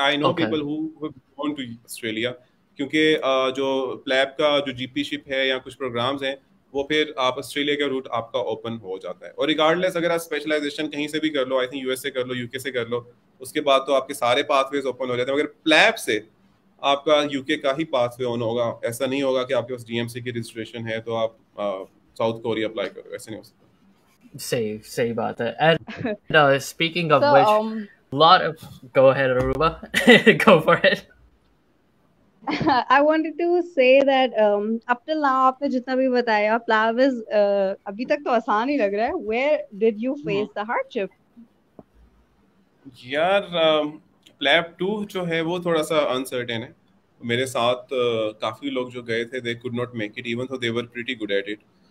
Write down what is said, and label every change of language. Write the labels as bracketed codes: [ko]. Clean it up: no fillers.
[en] I know people who gone to Australia, [hi] क्योंकि जो PLAB का जो जीपीशिप है या कुछ प्रोग्राम्स हैं, वो फिर आप ऑस्ट्रेलिया का रूट आपका ओपन हो जाता है। और रिगार्डलेस अगर आप स्पेशलाइजेशन कहीं से भी कर लो, आई थिंक यूएसए कर लो, यूके से कर लो, उसके बाद तो आपके सारे पाथवेज ओपन हो जाते हैं, मगर प्लेब से आपका यूके का ही पाथवे ऑन होगा। ऐसा नहीं होगा कि आपके पास डीएमसी की रजिस्ट्रेशन है तो आप साउथ कोरिया अप्लाई करो, ऐसे नहीं हो सकता। सही सही बात है. [en] And speaking of which, lot of go ahead Aruba go for it. I wanted to say that up till now [hi] आपने जितना भी बताया प्लाव इज अभी तक तो आसान ही लग रहा है. [en] Where did you face the hardship? [hi] यार प्लेब 2 जो है वो थोड़ा सा अनसर्टेन है, मेरे साथ काफी लोग जो गए थे [en] They could not make it, even so they were pretty good at it.